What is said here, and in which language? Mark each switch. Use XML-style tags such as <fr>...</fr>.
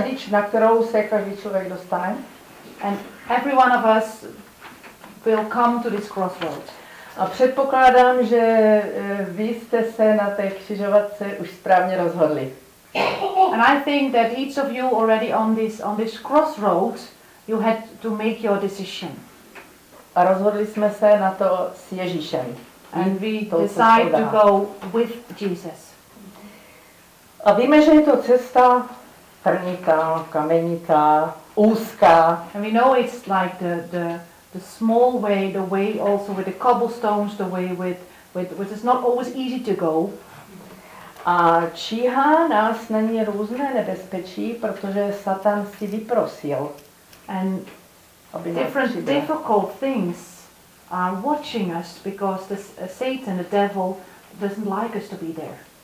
<cs>Na kterou se každý člověk dostane.</cs> <en>And every one of us will come to this crossroad.</en> <cs>A předpokládám, že vy jste se na té křižovatce už správně rozhodli.</cs> <en>And I think that each of you already on this crossroad, you had to make your decision.</en> <cs>A rozhodli jsme se na to s Ježíšem.</cs> <en>And we decide to go with Jesus.</en> <cs>A víme, že je to cesta trnitá, kamenitá, úzká.</cs> <en>And we know it's like the small way, the way also with the cobblestones, the way with it's not always easy to go.</en> <cs>A číhá nás na ně různé nebezpečí, protože Satan si vyprosil.</cs> <en>And different difficult things are watching us because this Satan, the devil, doesn't like us to be there.</en>